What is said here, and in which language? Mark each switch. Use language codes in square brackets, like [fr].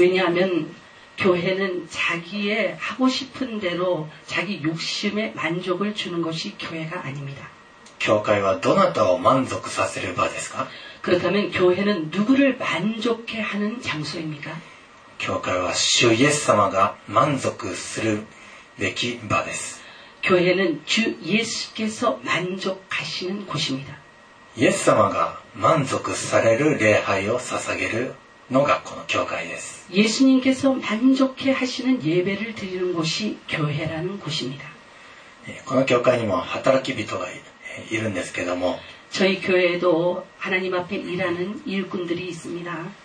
[ko] 왜냐하면교회는자기의하고싶은대로자기욕심에만족을주는것이교회가아닙니다 [ja] 教会はどなたを満足させる場ですか [ko] 그렇다면교회는누구를만족해하는장소입니까 [ja] 教会は主イエス様が満足するべき場です [ko] 교회는주예수께서만족하시는곳입니다 [ja] イエス様が満足される礼拝を捧げるのがこの教会です [ko] 예수님께서만족해하시는예배를드리는곳이교회라는곳입니다 [ja] この教会にも働き人がいるいるんですけども [ko] 저희교회에도하나님앞에일하는일꾼들이있습니다